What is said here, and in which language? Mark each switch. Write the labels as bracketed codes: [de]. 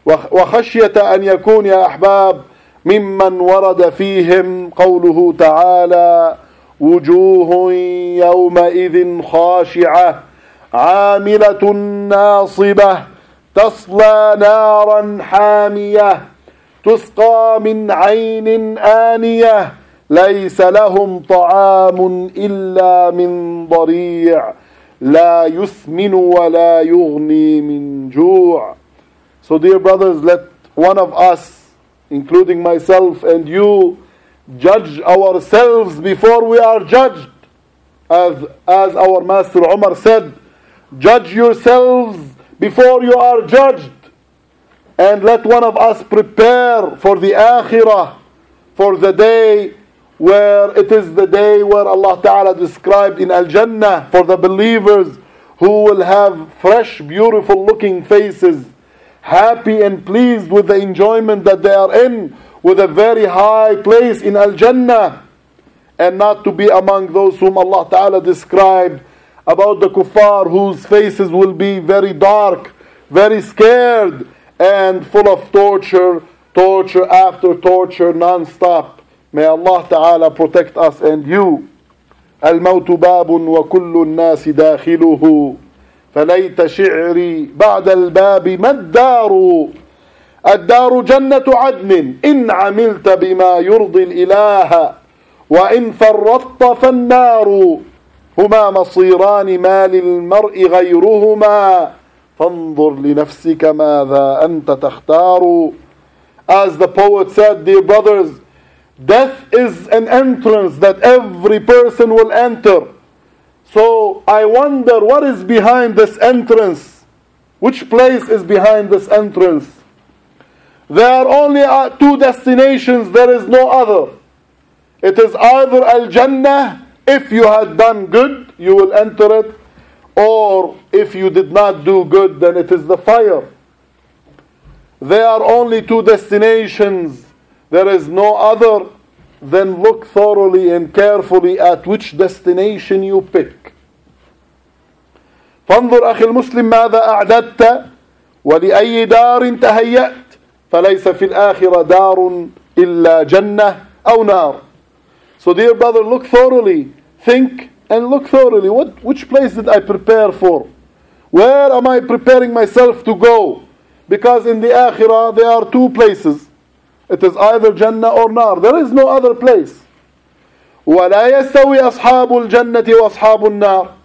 [ar] وخشية أن يكون يا أحباب ممن ورد فيهم قوله تعالى وجوه يومئذ خاشعة عاملة ناصبة تصلى نارا حامية تسقى من عين آنية ليس لهم طعام إلا من ضريع لا يسمن ولا يغني من جوع. [en] So dear brothers, let one of us, including myself and you, judge ourselves before we are judged. As our Master Umar said, judge yourselves before you are judged. And let one of us prepare for the Akhirah, for the day where it is the day where Allah Ta'ala described in Al-Jannah for the believers who will have fresh, beautiful looking faces, happy and pleased with the enjoyment that they are in, with a very high place in Al-Jannah, and not to be among those whom Allah Ta'ala described about the kuffar whose faces will be very dark, very scared, and full of torture, torture after torture, non-stop. May Allah Ta'ala protect us and you. [ar] الموت باب وكل الناس داخله فليت شعري بعد الباب ما الدار الدار جنة عدن إن عملت بما يرضي الإله وإن فرطت فالنار هما مصيران ما للمرء غيرهما فانظر لنفسك ماذا أنت تختار. [en] As the poet said, dear brothers, death is an entrance that every person will enter. So I wonder what is behind this entrance. Which place is behind this entrance? There are only two destinations, there is no other. It is either Al-Jannah, if you had done good, you will enter it. Or if you did not do good, then it is the fire. There are only two destinations. There is no other than look thoroughly and carefully at which destination you pick. [ar] فانظر أخي المسلم ماذا أعددت ولأي دار تهيأت فليس في الآخرة دار إلا جنة أو نار. [en] So dear brother, look thoroughly. Think and look thoroughly. Which place did I prepare for? Where am I preparing myself to go? Because in the Akhirah there are two places. It is either Jannah or Nar. There is no other place. [ar] وَلَا يَسْتَوِي أَصْحَابُ الْجَنَّةِ وَأَصْحَابُ النَّارِ.